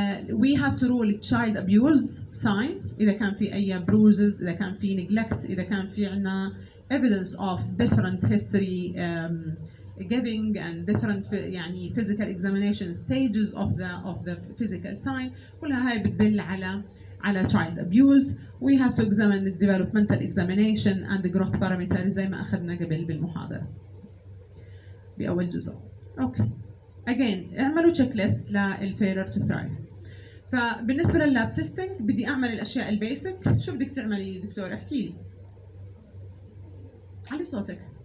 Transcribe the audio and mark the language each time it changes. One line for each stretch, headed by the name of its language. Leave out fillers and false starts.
English: We have to rule child abuse sign
Arabic: إذا كان في أي
English: bruises،
Arabic: إذا كان في
English: neglect،
Arabic: إذا كان في عنا
English: evidence of different history giving and different
Arabic: يعني
English: physical examination stages of the physical sign.
Arabic: كلها هاي بتدل على child abuse.
English: We have to examine the developmental examination and the growth parameters
Arabic: زي ما أخذنا قبل بالمحاضرة بأول جزء.
English: Okay.
Arabic: Again اعملوا checklist للfailure to thrive. فبالنسبة لللاب تيستينج بدي أعمل الأشياء البيسك. شو بدك تعملي دكتور؟ احكي لي علي صوتك.